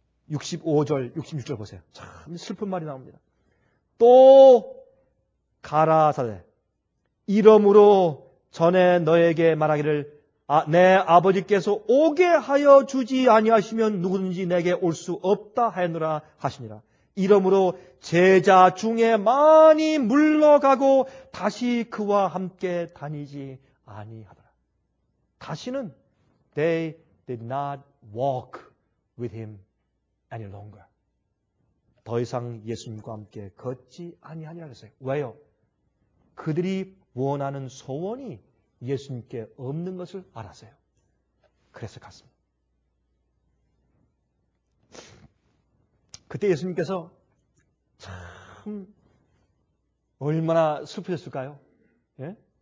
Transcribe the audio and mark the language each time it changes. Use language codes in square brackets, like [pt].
[ko] 65절 66절 보세요. 참 슬픈 말이 나옵니다. 또 가라사대 이러므로 전에 너에게 말하기를 아, 내 아버지께서 오게 하여 주지 아니하시면 누구든지 내게 올 수 없다 하느라 하시니라. 이러므로 제자 중에 많이 물러가고 다시 그와 함께 다니지 아니하더라. 다시는 [en] they did not walk with him any longer. [ko] 더 이상 예수님과 함께 걷지 아니하니라 그랬어요. 왜요? 그들이 원하는 소원이 예수님께 없는 것을 알았어요. 그래서 갔습니다. 그때 예수님께서 참 얼마나 슬프셨을까요? 예?